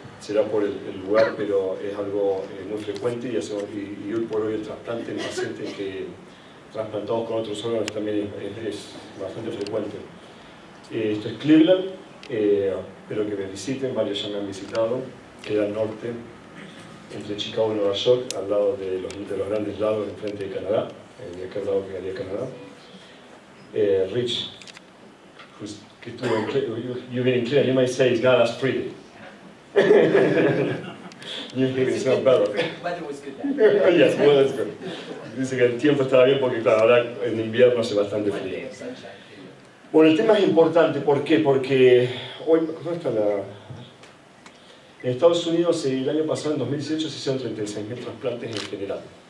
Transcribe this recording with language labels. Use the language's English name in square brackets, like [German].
[Spanish] Será por el lugar, pero es algo muy frecuente y hoy por hoy el trasplante en pacientes que trasplantados con otros órganos también es bastante frecuente. Esto es Cleveland, espero que me visiten, varios ya me han visitado, queda al norte, entre Chicago y Nueva York, al lado de los grandes lados, enfrente de Canadá, de aquel lado que quedaría Canadá. [English] Rich, [Spanish] que estuvo en Cleveland, [English] you've been in Cleveland, you might say it's not as pretty. You think it's not better. Weather was good. Yes, weather was good. [Spanish] Dice que el tiempo estaba bien porque, claro, ahora en invierno hace bastante frío. Bueno, el tema es importante. ¿Por qué? Porque hoy, ¿cómo está la...? En Estados Unidos, el año pasado, en 2018, se hicieron 36.000 trasplantes en general.